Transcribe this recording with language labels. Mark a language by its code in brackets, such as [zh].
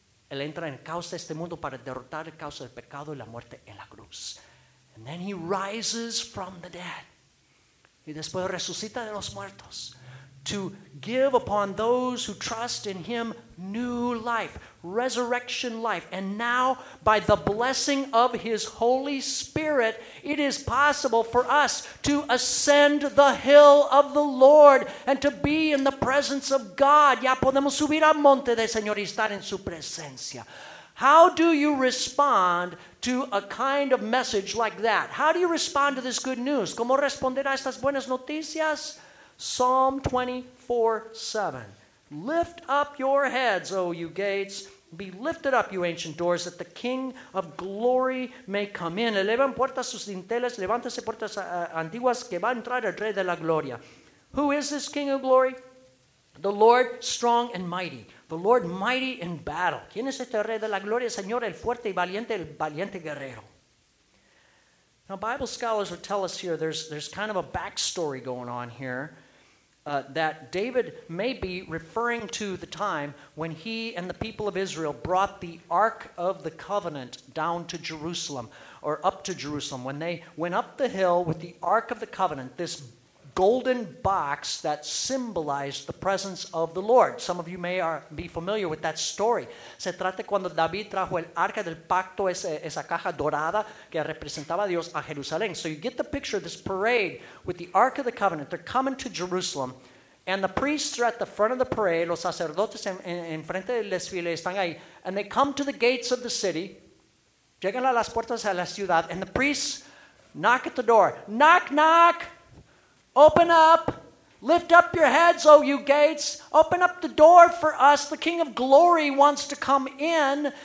[es] Él entra en el caos de este mundo para derrotar el caos del pecado y la muerte en la cruz. [en] And then he rises from the dead. [es] Y después resucita de los muertos. [en] To give upon those who trust in him new life, resurrection life. And now, by the blessing of his Holy Spirit, it is possible for us to ascend the hill of the Lord and to be in the presence of God. [es] Ya podemos subir al monte del Señor y estar en su presencia. [en] How do you respond to a kind of message like that? How do you respond to this good news? [es] ¿Cómo responder a estas buenas noticias? [en] Psalm 24:7. Lift up your heads, O you gates. Be lifted up, you ancient doors, that the King of glory may come in. [es] Elevan puertas sus dinteles, levántese puertas antiguas, que va a entrar el Rey de la Gloria. [en] Who is this King of glory? The Lord strong and mighty. The Lord mighty in battle. [es] ¿Quién es este Rey de la Gloria? Señor, el fuerte y valiente, el valiente guerrero. [en] Now, Bible scholars would tell us here there's kind of a backstory going on here. That David may be referring to the time when he and the people of Israel brought the Ark of the Covenant down to Jerusalem, or up to Jerusalem, when they went up the hill with the Ark of the Covenant, this golden box that symbolized the presence of the Lord. Some of you may be familiar with that story. [es] Se trata cuando David trajo el arca del pacto, esa caja dorada que representaba a Dios a Jerusalén. [en] So you get the picture of this parade with the Ark of the Covenant. They're coming to Jerusalem, and the priests are at the front of the parade. [es] Los sacerdotes en frente del desfile están ahí. [en] And they come to the gates of the city. [es] Llegan a las puertas de la ciudad, [en] and the priests knock at the door. Knock, knock! Open up, lift up your heads, O you gates. Open up the door for us. The King of glory wants to come in.